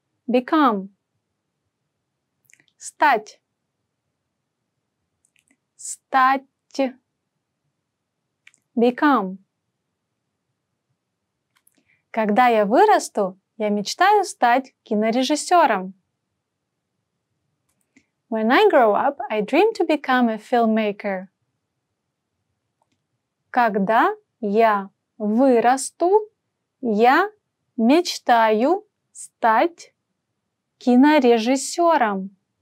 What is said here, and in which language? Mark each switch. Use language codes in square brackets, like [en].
[en] Become. Стать. [ru] Стать. [en] Become. [ru] Когда я вырасту, я мечтаю стать кинорежиссером. [en] When I grow up, I dream to become a filmmaker. [ru] Когда я вырасту, я мечтаю стать кинорежиссером.